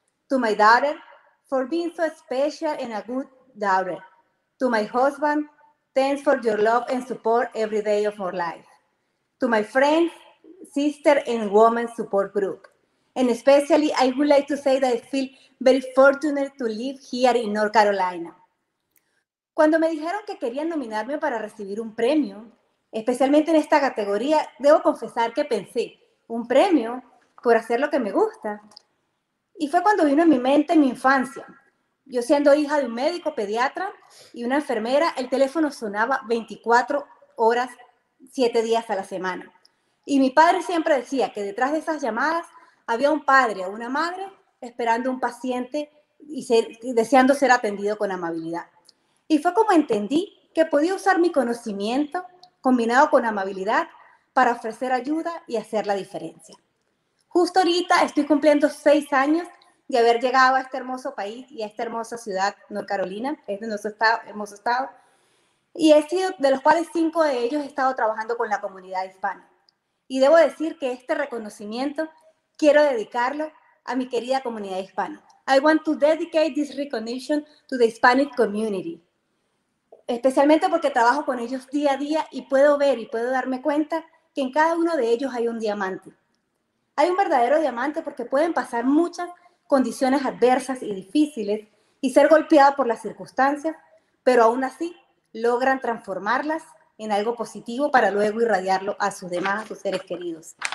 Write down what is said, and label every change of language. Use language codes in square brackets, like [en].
[en] To my daughter, for being so special and a good daughter. To my husband, thanks for your love and support every day of our life. To my friends, sister, and woman support group. And especially, I would like to say that I feel very fortunate to live here in North Carolina. [es] Cuando me dijeron que querían nominarme para recibir un premio, especialmente en esta categoría, debo confesar que pensé, un premio por hacer lo que me gusta. Y fue cuando vino en mi mente mi infancia. Yo siendo hija de un médico pediatra y una enfermera, el teléfono sonaba 24 horas, 7 días a la semana. Y mi padre siempre decía que detrás de esas llamadas había un padre o una madre esperando un paciente y deseando ser atendido con amabilidad. Y fue como entendí que podía usar mi conocimiento combinado con amabilidad, para ofrecer ayuda y hacer la diferencia. Justo ahorita estoy cumpliendo 6 años de haber llegado a este hermoso país y a esta hermosa ciudad, North Carolina, es de nuestro estado, hermoso estado, y he sido de los cuales 5 de ellos he estado trabajando con la comunidad hispana. Y debo decir que este reconocimiento quiero dedicarlo a mi querida comunidad hispana. [en] I want to dedicate this recognition to the Hispanic community. [es] Especialmente porque trabajo con ellos día a día y puedo ver y puedo darme cuenta que en cada uno de ellos hay un diamante. Hay un verdadero diamante porque pueden pasar muchas condiciones adversas y difíciles y ser golpeados por las circunstancias, pero aún así logran transformarlas en algo positivo para luego irradiarlo a sus demás, a sus seres queridos.